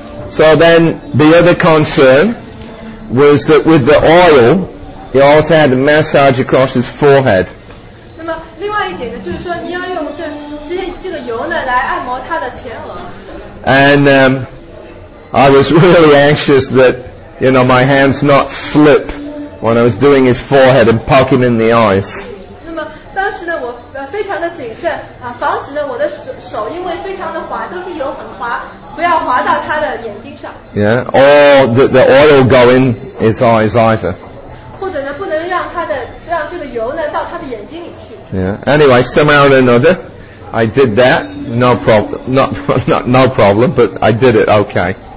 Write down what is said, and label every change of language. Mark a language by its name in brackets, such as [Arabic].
[English] So then the other concern was that with the oil, he also had a massage across his forehead. [Chinese] 那么另外一点呢，就是说你要用这个油呢来按摩他的前额。 [English] And I was really anxious that. You know, my hands not slip when I was doing his forehead and poke him in the eyes. [Chinese] 那么当时呢，我非常的谨慎啊，防止呢我的手因为非常的滑，都是油很滑，不要滑到他的眼睛上。 [English] Yeah, or the oil go in his eyes either. [Chinese] 或者呢，不能让这个油呢到他的眼睛里去。 [English] Yeah. Anyway, somehow or another, I did that. No problem. Not no problem, but I did it. Okay.